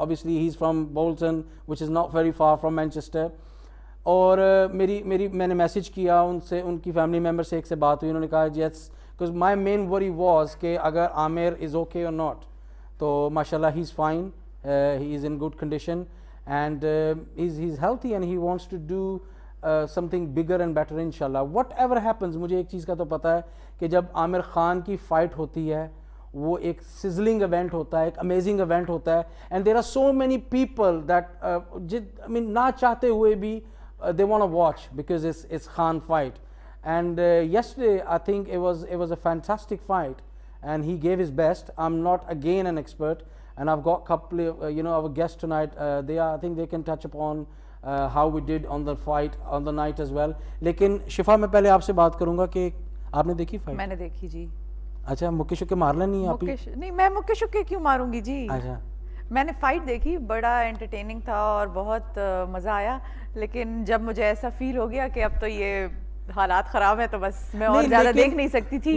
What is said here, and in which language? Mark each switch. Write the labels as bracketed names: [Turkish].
[English] Obviously he is from Bolton which is not very far from Manchester. [Hindi] और मैंने message किया उनसे, उनकी फैमिली मेम्बर से एक से बात हुई. उन्होंने कहा [English] yes, because my main worry was [Hindi] के अगर आमिर इज़ ओके और नॉट. [English] तो माशाल्लाह he is fine, he is in good condition. And he's healthy and he wants to do something bigger and better, inshallah. Whatever happens, [Hindi] मुझे एक चीज़ का तो पता है कि जब आमिर खान की फ़ाइट होती है वो एक सिजलिंग इवेंट होता है, एक अमेजिंग इवेंट होता है. [English] and there are so many people that [Hindi] ना चाहते हुए भी [English] They want to watch because it's Khan fight. And yesterday I think it was a fantastic fight and he gave his best. I am not again an expert. And I've got couple of, you know, our guests tonight. I think they can touch upon how we did on the fight on the night as well. [Hindi] लेकिन शिफा, मैं पहले आपसे बात करूंगा कि आपने देखी fight? मैंने देखी जी. अच्छा, मुकेश के मारना नहीं आप? मुकेश नहीं, मैं मुकेश के क्यों मारूंगी जी. अच्छा, मैंने फाइट देखी, बड़ा एंटरटेनिंग था और बहुत मजा आया. लेकिन जब मुझे ऐसा फील हो गया कि अब तो ये हालात खराब है तो बस मैं और ज्यादा देख नहीं सकती थी.